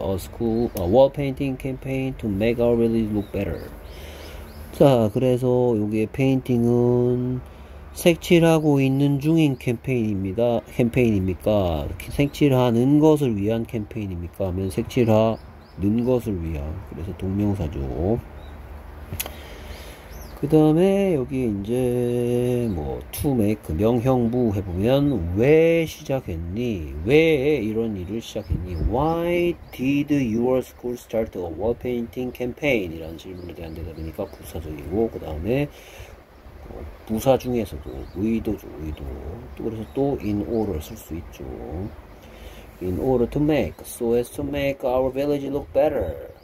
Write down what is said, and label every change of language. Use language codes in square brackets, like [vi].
[en] A wall painting campaign to make our village look better. [ko] 자, 그래서 여기에 페인팅은 색칠하고 있는 중인 캠페인입니다. 캠페인입니까? 색칠하는 것을 위한 캠페인입니까? 하면 색칠하는 것을 위한. 그래서 동명사죠. 그 다음에 여기 이제 뭐 [en] to make [ko] 명형부 해보면 왜 시작했니? 왜 이런 일을 시작했니? [en] Why did your school start a wall painting campaign? [ko] 이라는 질문에 대한 대답이니까 부사적이고, 그 다음에 부사 중에서도 의도죠. 의도. 또 그래서 또 in order 쓸 수 있죠. [en] In order to make, so as to make our village look better.